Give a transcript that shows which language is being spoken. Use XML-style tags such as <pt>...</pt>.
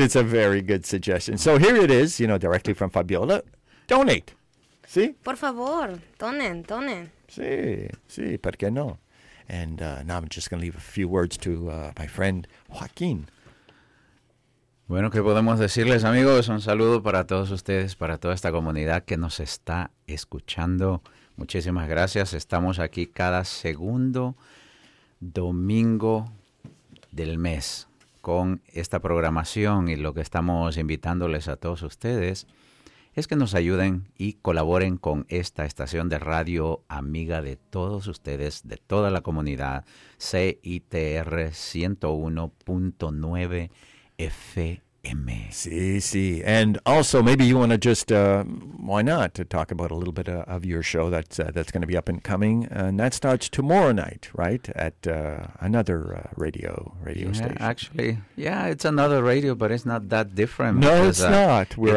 <en>It's a very good suggestion. So here it is, you know, directly from Fabiola. Donate. Sí?</en> <es>Por favor, donen. Sí, sí, ¿por qué no?</es> <en>And now I'm just going to leave a few words to my friend Joaquin.</en> <es>Bueno, ¿qué podemos decirles, amigos? Un saludo para todos ustedes, para toda esta comunidad que nos está escuchando. Muchísimas gracias. Estamos aquí cada segundo domingo del mes con esta programación y lo que estamos invitándoles a todos ustedes es que nos ayuden y colaboren con esta estación de radio amiga de todos ustedes, de toda la comunidad, CITR 101.9 FM. Sí, sí.</es> <en>And also, maybe you want to just, why not, to talk about a little bit of your show that's going to be up and coming. And that starts tomorrow night, right, at another radio station. Actually, yeah, it's another radio, but it's not that different. No, it's not. We're</en>